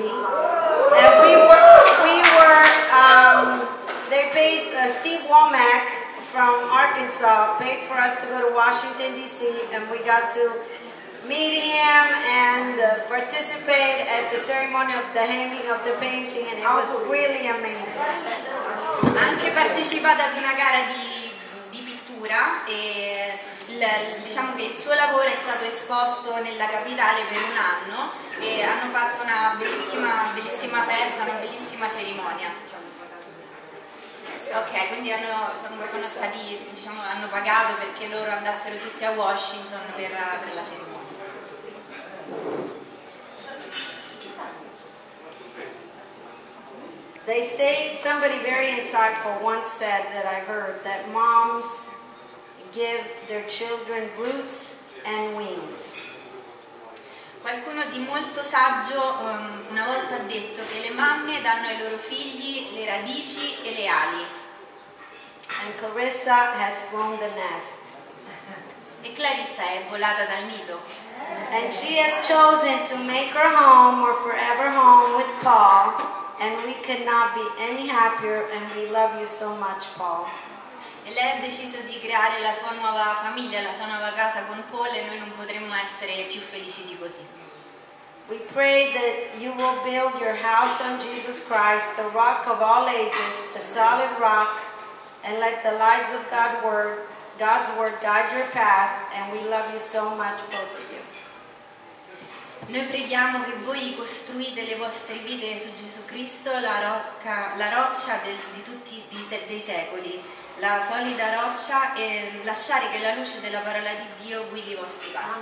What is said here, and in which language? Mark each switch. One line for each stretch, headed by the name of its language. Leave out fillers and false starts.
English: And Steve Womack from Arkansas paid for us to go to Washington, D.C., and we got to meet him and participate at the ceremony of the hanging of the painting, and it was really amazing.
Italian: Anche partecipata ad una gara di pittura e diciamo che il suo lavoro è stato esposto nella capitale per un anno e hanno fatto una bellissima festa, una bellissima cerimonia. Ok, quindi sono stati, diciamo, hanno pagato perché loro andassero tutti a Washington per la cerimonia.
English: They say, somebody very insightful once said that I heard, that moms give their children roots and wings.
Italian: Qualcuno di molto saggio una volta ha detto che le mamme danno ai loro figli le radici e le ali.
English: And Clarissa has flown the nest.
Italian: E Clarissa è volata dal nido.
English: And she has chosen to make her home or forever home with Paul. And we could not be any happier, and we love you so much, Paul.
Italian: E lei ha deciso di creare la sua nuova famiglia, la sua nuova casa con Paul, e noi non potremmo essere più felici di così.
English: We pray that you will build your house on Jesus Christ, the rock of all ages, the solid rock, and let the lights of God's word guide your path, and we love you so much, both of you.
Italian: Noi preghiamo che voi costruite le vostre vite su Gesù Cristo, la roccia di tutti dei secoli, la solida roccia, e lasciare che la luce della parola di Dio guidi i vostri passi.